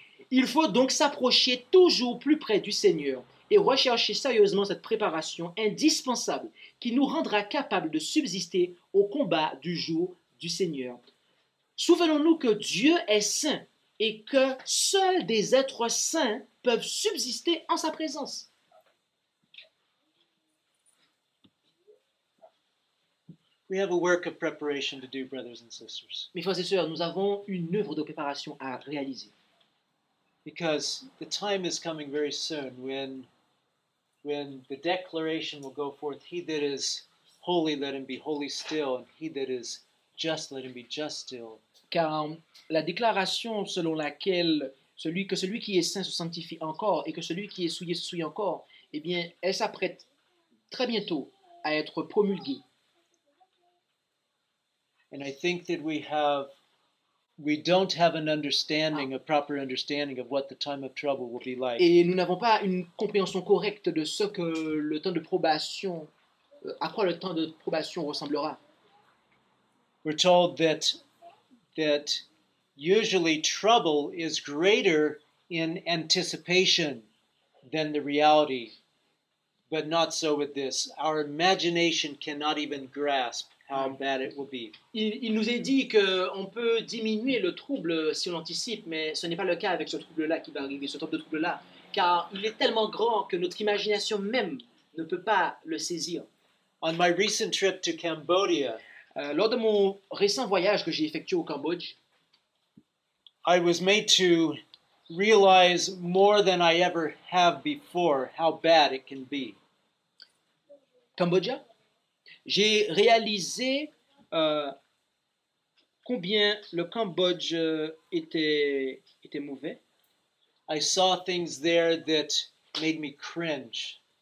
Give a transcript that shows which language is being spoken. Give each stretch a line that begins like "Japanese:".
French: Il faut donc s'approcher toujours plus près du Seigneur et rechercher sérieusement cette préparation indispensable qui nous rendra capables de subsister au combat du jour du Seigneur. Souvenons-nous que Dieu est saint et que seuls des êtres saints peuvent subsister en sa présence.
English: We have a work of preparation to do, brothers and sisters.
French: Mes frères et sœurs, nous avons une œuvre de préparation à réaliser.
English: Because the time is coming very soon when the declaration will go forth, he that is holy, let him be holy still, and he that is just, let him be just still.
French: Car la déclaration selon laquelle celui qui est saint se sanctifie encore et que celui qui est souillé se souille encore, eh bien, elle s'apprête très bientôt à être promulguée.
English: And I think that we don't have an understanding, a proper understanding of what the time of trouble will be like.
French: Et nous n'avons pas une compréhension correcte de ce que le temps de probation, à quoi le temps de probation ressemblera.
English: We're told that usually trouble is greater in anticipation than the reality, but not so with this. Our imagination cannot even grasp how bad it will be.
French: Il nous est dit que on peut diminuer le trouble si on anticipe, mais ce n'est pas le cas avec ce trouble-là qui va arriver, ce type de trouble-là, car il est tellement grand que notre imagination même ne peut pas le saisir.
English: On my recent trip to Cambodia,
French: lors de mon récent voyage que j'ai effectué au Cambodge,
English: I was made to realize more than I ever have before how bad it can be.
French: Cambodge? J'ai réalisé combien le Cambodge était mauvais.
English: I saw things there that made me cringe.